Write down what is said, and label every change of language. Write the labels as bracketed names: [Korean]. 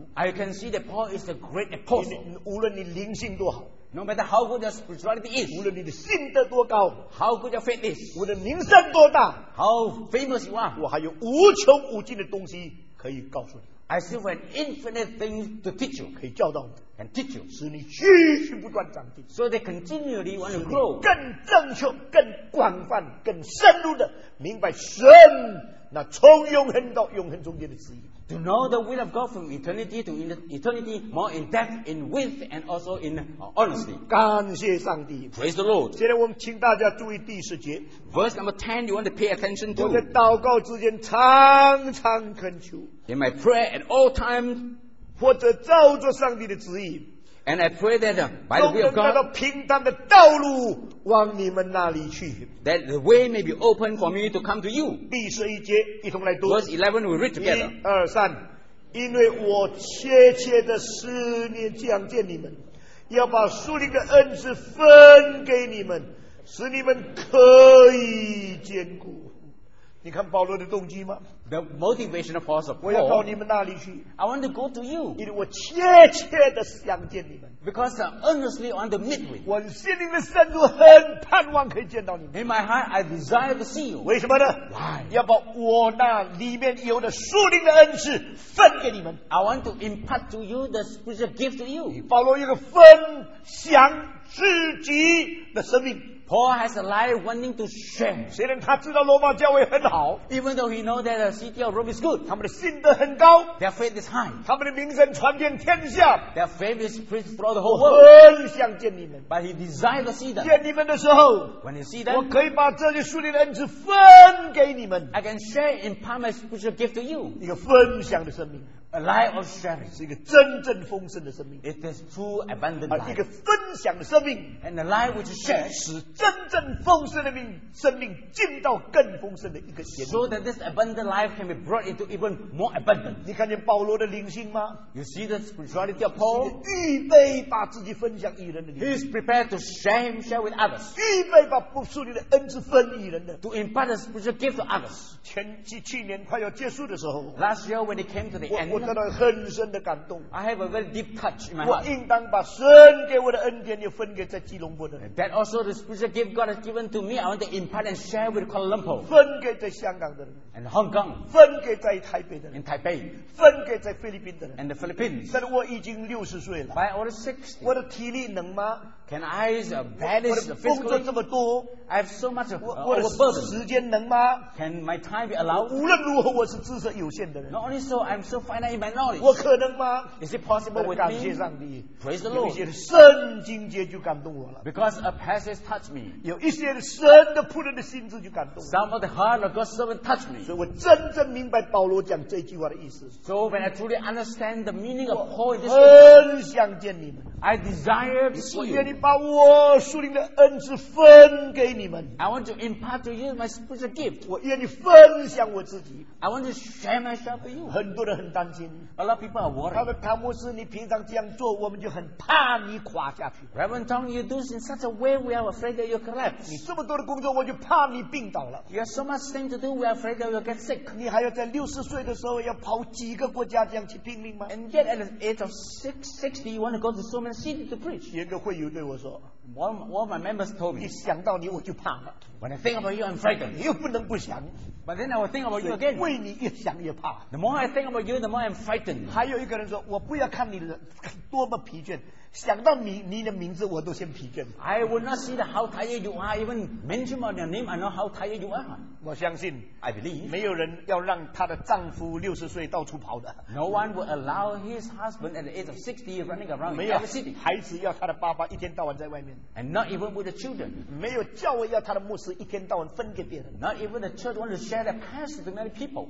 [English] I can see that Paul is a great apostle. [Chinese] 无论你灵性多好 [English] ，No matter how good your spirituality is， [Chinese] 无论你的信德多高 [English] ，How good your faith is， [Chinese] 无论名声多大 [English] ，How famous you are， [Chinese] 我还有无穷无尽的东西可以告诉你。 [English] I still have an infinite thing to teach you， [Chinese] 可以教导你。 [English] And teach you， [Chinese] 使你继续不断长进。 [English] So they continually want to grow， [Chinese] 更正确、更广泛、更深入的明白神那从永恒到永恒中间的旨意。 [English] To know the will of God from eternity to eternity, more in depth, in width, and also in honesty. [Chinese] 感谢上帝。 [English] Praise the Lord. [Chinese] 现在我们请大家注意第十节。 [English] Verse number 10, you want to pay attention to. [Chinese] 我在祷告之间常常恳求。 [English] In my prayer at all times. [Chinese] 或者照着上帝的旨意。 [English] And I pray that by the will of God, [Chinese] 能得到平坦的道路往你们那里去。 [English] That the way may be open for me to come to you. [Chinese] 第十一节，一同来读。 [English] Verse 11, we read together. [Chinese] 一二三，因为我切切的思念想见你们，要把属灵的恩赐分给你们，使你们可以坚固。你看保罗的动机吗 [English] ？The motivation of Paul. [Chinese] 我要到你们那里去。 [English] I want to go to you. [Chinese] 因为我切切的想见你们。 [English] Because I earnestly want to meet with you. [Chinese] 我心里面深处很盼望可以见到你们。 [English] In my heart, I desire to see you. [Chinese] 为什么呢 [English] ？Why？ [Chinese] 要把我那里面有的属灵的恩赐分给你们。 [English] I want to impart to you the spiritual gift to you. [Chinese] 保罗有个分享自己的生命。 [English] Paul has a life wanting to share. [Chinese] 虽然他知道罗马教会很好 [English] ，even though he knows that the city of Rome is good， [Chinese] 他们的信德很高 [English] ，their faith is high， [Chinese] 他们的名声传遍天下 [English] ，their fame is spread throughout the whole world。 [Chinese] 我很想见你们 [English] ，but he desires to see them。 [Chinese] 见你们的时候 [English] ，when you see them， [Chinese] 我可以把这些属灵的恩赐分给你们 [English] ，I can share in part my spiritual gift to you。 [Chinese] 一个分享的生命。 [English] A life of sharing [Chinese] 是一个真正丰盛的生命。 [English] It is true abundant life. [Chinese] 一个分享的生命。 [English] And a life which shares [Chinese] 使真正丰盛的生命进到更丰盛的一个阶段。 [English] So that this abundant life can be brought into even more abundant. [Chinese] 你看见保罗的灵性吗 [English] ？You see the spirituality of Paul. [Chinese] 预备把自己分享与人的灵性。 [English] He is prepared to share himself with others. [Chinese] 预备把不属灵的恩赐分与人的。 [English] To impart the spiritual gift to others. [Chinese] 去年快要结束的时候。 [English] Last year when it came to the end. [Chinese] 我得到很深的感动。 [English] I have a very deep touch in my heart. [Chinese] 我应当把神给我的恩典也分给在吉隆坡的人。 [English] That also the spiritual gift God has given to me, I want to impart and share with Kuala Lumpur. [Chinese] 分给在香港的人。 [English] And Hong Kong. [Chinese] 分给在台北的人。 [English] In Taipei. [Chinese] 分给在菲律宾的人。 [English] And the Philippines. [Chinese] 但是我已经六十岁了。 [English] By all the 60. [Chinese] 我的体力能吗 [English] ？Can I balance the physical? [Chinese] 我的工作这么多。 [English] I have so much overburden. [Chinese] 我的时间能吗 [English] ？Can my time be allowed? [Chinese] 无论如何，我是知识有限的人。 [English] Not only so, I'm so finite. In my knowledge. [Chinese] 我可能吗 [English] ？Is it possible with me？ [Chinese] 感谢上帝 [English] ，Praise the Lord。 [Chinese] 有一些圣经节就感动我了 [English] ，Because a passage touched me。 [Chinese] 有一些神的仆人的心智就感动我 [English] ，Some of the heart of God's servant touched me。 [Chinese] 所以我真正明白保罗讲这句话的意思。 [English] So when I truly understand the meaning of Paul, this [Chinese] 我很想见你们。 [English] I desire to see you。 [Chinese] 愿你把我属灵的恩赐分给你们。 [English] I want to impart to you my spiritual gift。 [Chinese] 我愿意分享我自己。 [English] I want to share myself with you。 [Chinese] 很多人很担心。 [English] A lot of people are worried. [Chinese] 他说：“唐牧师，你平常这样做，我们就很怕你垮下去。” [English] Reverend Tong, you do in such a way, we are afraid that you collapse. [Chinese] 你这么多的工作，我就怕你病倒了。 [English] You have so much thing to do, we are afraid that you get sick. [Chinese] 你还要在六十岁的时候要跑几个国家这样去拼命吗 [English] ？And yet at the age of 60, you want to go to so many cities to preach. [Chinese] 有个会友对我说。 [English] One of my members told me. [Chinese] 一想到你我就怕了。 [English] When I think about you, I'm frightened. [Chinese] 你又不能不想。 [English] But then I will think about you again. [Chinese] 为你越想越怕。 [English] The more I think about you, the more I'm frightened. [Chinese] 还有一个人说，我不要看你多么疲倦，想到你的名字我都先疲倦。 [English] I will not see how tired you are. Even mention about your name, I know how tired you are. [Chinese] 我相信。 [English] I believe. [Chinese] 没有人要让她的丈夫六十岁到处跑的。 [English] No one will allow his husband at the age of 60 running around in every city. [Chinese] 孩子要他的爸爸一天到晚在外面。 [English] And not even with the children. [Chinese] 没有教会要他的牧师是一天到晚分给别人。 [English] Not even the church wants to share their pastor to many people.